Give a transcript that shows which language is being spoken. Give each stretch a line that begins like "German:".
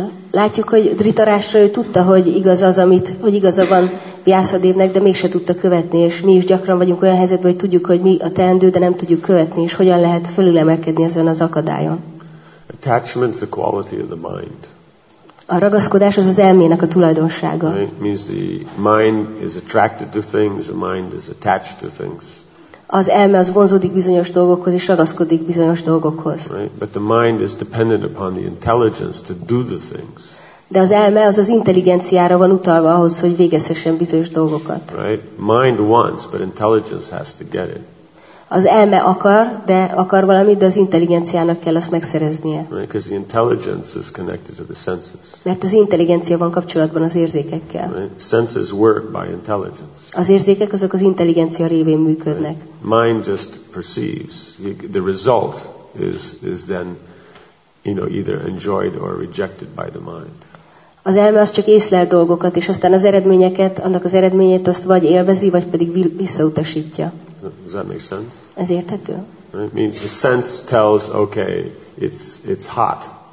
Hungarian: Látjuk, hogy Dhritarashtra ő tudta, hogy igaz az, amit, hogy igaza van Vyászadévnek, de mégse tudta követni, és mi is gyakran vagyunk olyan helyzetben, hogy tudjuk, hogy mi a teendő, de nem tudjuk követni, és hogyan lehet fölülemelkedni ezen az akadályon.
English: Attachment's a quality of the mind.
Hungarian: A ragaszkodás az az elmének a tulajdonsága.
English: It means the mind is attracted to things, the mind is attached to things.
Hungarian: Az elme az vonzódik bizonyos dolgokhoz és ragaszkodik bizonyos dolgokhoz.
English: Right? But the mind is dependent upon the intelligence to do the things.
Hungarian: De az elme az intelligenciára van utalva ahhoz, hogy végezhessen bizonyos dolgokat.
English: Right? Mind wants, but intelligence has to get it.
Hungarian: Az elme akar valamit, de az intelligenciának kell azt megszereznie.
English: Right? Because the intelligence is connected to the senses.
Hungarian: Mert az intelligencia van kapcsolatban az érzékekkel.
English: Right? Senses work by intelligence.
Hungarian: Az érzékek azok az intelligencia révén működnek.
English: Right? Mind just perceives. The result is then, you know, either enjoyed or rejected by the mind.
Hungarian: Az elme az csak észlel dolgokat, és aztán az eredményeket, annak az eredményét azt vagy élvezi, vagy pedig visszautasítja.
English: Does that make sense?
Hungarian: Ez érthető?
English: It means the sense tells, okay, it's hot.